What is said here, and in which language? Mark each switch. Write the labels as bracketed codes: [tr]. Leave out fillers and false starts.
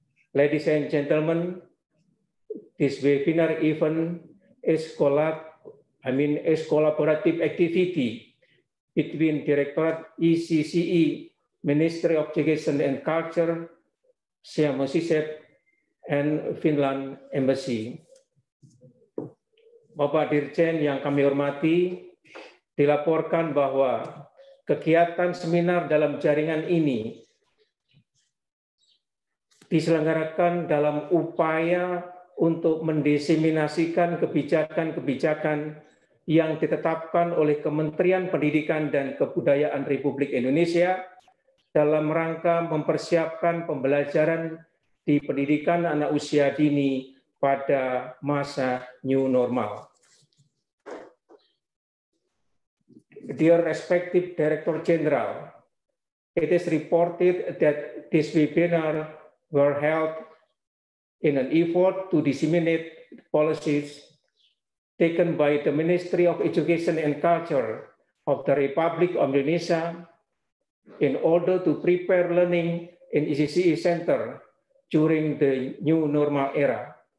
[en] Ladies and gentlemen, this webinar event is collaborative activity between Directorate ECCE, Ministry of Education and Culture, Siameo SISEP, and Finland Embassy. [id] Bapak Dirjen yang kami hormati, dilaporkan bahwa kegiatan seminar dalam jaringan ini diselenggarakan dalam upaya untuk mendiseminasikan kebijakan-kebijakan yang ditetapkan oleh Kementerian Pendidikan dan Kebudayaan Republik Indonesia dalam rangka mempersiapkan pembelajaran di pendidikan anak usia dini pada masa new normal. [en] Dear respective Director General, it is reported that this webinar were held in an effort to disseminate policies taken by the Ministry of Education and Culture of the Republic of Indonesia in order to prepare learning in ECCE Center during the new normal era.